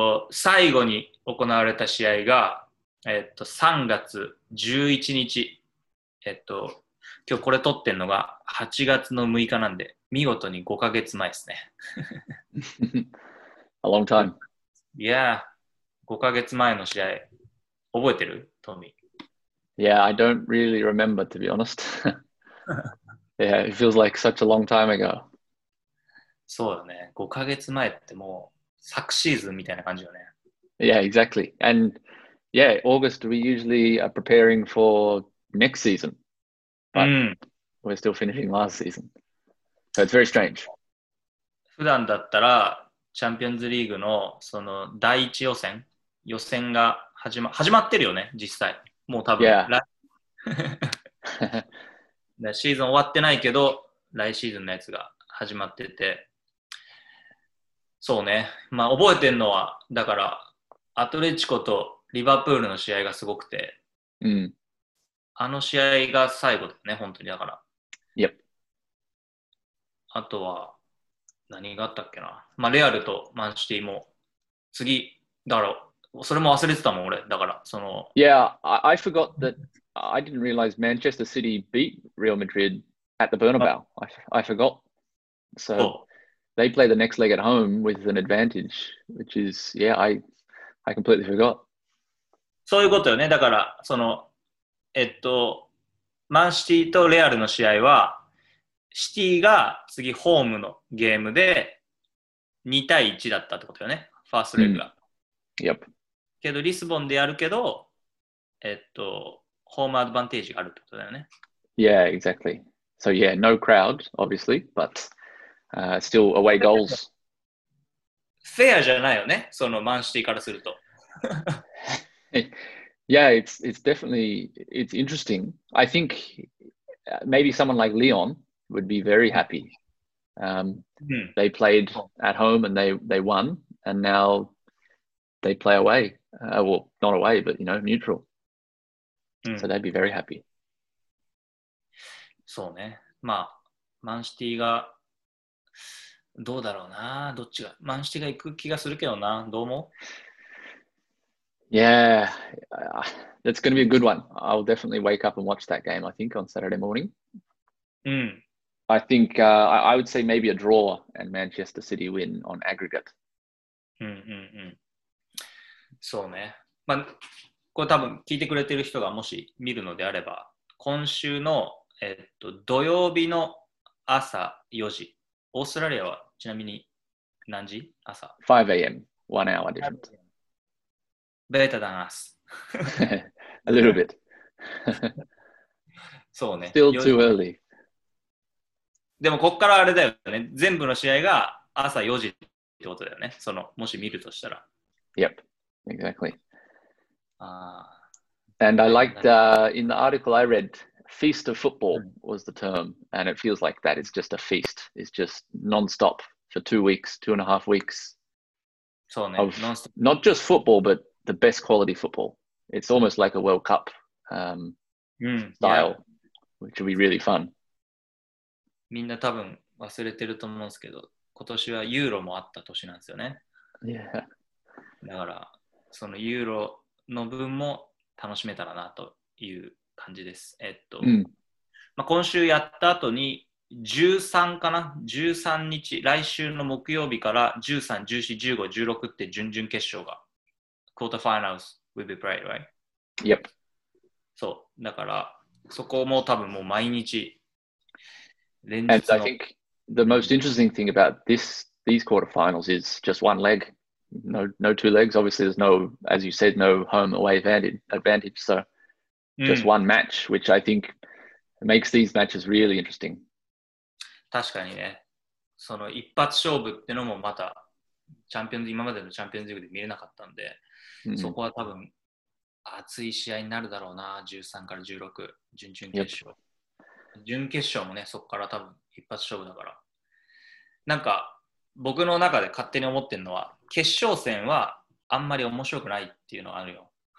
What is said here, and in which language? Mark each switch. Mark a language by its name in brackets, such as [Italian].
[Japanese] 最後に行われた試合が、3月11日。今日これ撮ってんのが8月の6日なんで、見事に5ヶ月前ですね。 [English] A long time. Yeah, [Japanese] 5ヶ月前の試合、覚えてる、トミー？ [English] Yeah, I don't really remember, to be honest. Yeah, it feels like such a long time ago. [Japanese] そうだね、5ヶ月前ってもう昨シーズンみたいな感じよね。 [English] Yeah, exactly. And yeah, August, we usually are preparing for next season. But we're still finishing last season. So it's very strange. [Japanese] 普段だったらチャンピオンズリーグのその第一予選、予選が始まってるよね、実際。もう多分。 [English] Yeah. [Japanese] シーズン終わってないけど、来シーズンのやつが始まってて。そうね。まあ覚えてるのは、だからアトレチコとリバプールの試合がすごくて。うん。あの試合が最後だね、本当にだから。 [English] Yep. [Japanese] あとは、何があったっけな。まあ、レアルとマンシティも、次、だろう。それも忘れてたもん、俺。だから、その。 [English] Yeah, I forgot that I didn't realize Manchester City beat Real Madrid at the Bernabeu. I forgot. So, they play the next leg at home with an advantage, which is, yeah, I completely forgot. [Japanese] そういうことよね。だから、その、マンシティとレアルの試合はシティが次ホームのゲームで2対1だったってことよね、ファーストレグが、うん、 [English] yep. [Japanese] けどリスボンでやるけど、ホームアドバンテージがあるってことだよね。 [English] Yeah, exactly. So yeah, no crowd obviously, but still away goals. [Japanese] フェアじゃないよね、そのマンシティからすると。 [English] Yeah, it's definitely interesting. I think maybe someone like Leon would be very happy. They played at home and they won, and now they play away. Well, not away, but you know, neutral. So they'd be very happy. [Japanese] そうね。まあ、マンシティがどうだろうな。どっちが、マンシティが行く気がするけどな。どう思う？ [English] Yeah, that's going to be a good one. I'll definitely wake up and watch that game, I think, on Saturday morning. I think, I would say maybe a draw and Manchester City win on aggregate. [Japanese] そうね。まあ、これ多分聞いてくれてる人がもし見るのであれば、今週の、土曜日の朝4時、オーストラリアはちなみに何時？朝。 [English] 5 a.m. One hour difference. Better than us. A little bit. [Japanese] そうね。 [English] Still too early. [Japanese] でもこっからあれだよね。全部の試合が朝4時ってことだよね。そのもし見るとしたら。 [English] Yep. Exactly. And I liked in the article I read, feast of football was the term. And it feels like that. It's just a feast. It's just nonstop for 2 weeks, 2.5 weeks. [Japanese] そうね、 [English] of not just football, but the best quality football. It's almost like a World Cup style,、yeah. which will be really fun. [Japanese] みんな多分忘れてると思うんですけど、今年はユーロもあった年なんですよね。 [English] Yeah. [Japanese] だから、そのユーロの分も楽しめたらなという感じです。まあ、今週やった後に13日、来週の木曜日から13、14、15、16って準々決勝が [English] Quarterfinals will be played, right? Yep. [Japanese] そう、だからそこも多分もう毎日連日の。 [English] And I think the most interesting thing about these quarterfinals is just one leg. No two legs. Obviously, there's no, as you said, no home away advantage. So just one match, which I think makes these matches really interesting. [Japanese] 確かにね。その一発勝負ってのもまたチャンピオンズ、今までのチャンピオンズリーグで見れなかったんで、そこは多分熱い試合になるだろうな。 13から16、準々決勝。 [English] Yep. [Japanese] 準決勝もね、そこから多分一発勝負だから。なんか僕の中で勝手に思ってるのは、決勝戦はあんまり面白くないっていうのがあるよ。